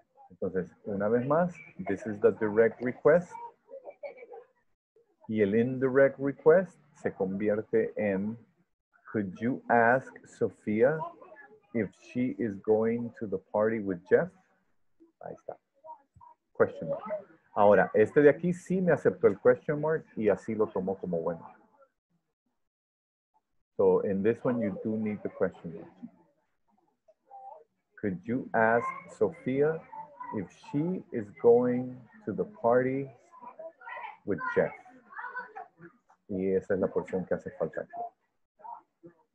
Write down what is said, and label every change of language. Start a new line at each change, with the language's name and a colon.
Spanish: Entonces, una vez más,
English: this is the direct request.
Spanish: Y el
English: indirect request
Spanish: se convierte en,
English: could you ask Sofía if she is going to the party with Jeff?
Spanish: Ahí está.
English: Question mark.
Spanish: Ahora, este de aquí sí me aceptó el question mark y así lo tomó como bueno.
English: So in this one, you do need the question mark. Could you ask Sofía if she is going to the party with Jeff?
Spanish: Y esa es la porción que hace falta aquí.